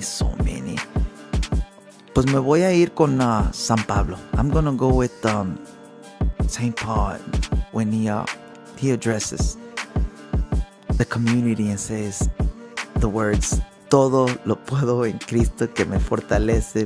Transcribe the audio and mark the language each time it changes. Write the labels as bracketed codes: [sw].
[es] Pues me voy a ir con San Pablo. [en] I'm going to go with St. Paul when he addresses the community and says the words, [es] todo lo puedo en Cristo que me fortalece.